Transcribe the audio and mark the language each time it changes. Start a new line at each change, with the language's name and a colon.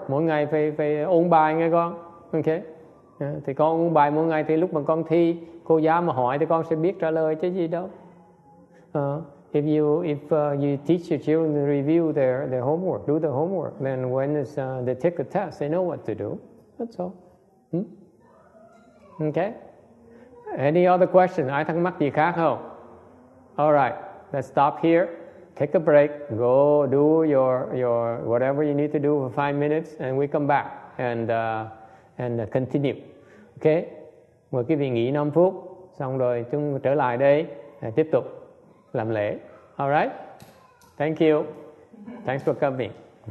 Vietnamese: Mỗi ngày phải ôn bài nghe con. Okay. Thì con ôn bài mỗi ngày thì lúc mà con thi, cô giáo mà hỏi thì con sẽ biết trả lời chứ gì đâu.
English: If you teach your children to review their homework, do the homework, then when it's, they take a test, they know what to do. That's all. Okay. Any other question?
Vietnamese: Ai thắc mắc gì khác không?
English: All right, let's stop here. Take a break. Go do your whatever you need to do for 5 minutes, and we come back and continue.
Vietnamese: Okay, mời quý vị nghỉ 5 phút, xong rồi chúng trở lại đây tiếp tục làm lễ.
English: All right, thank you. Thanks for coming.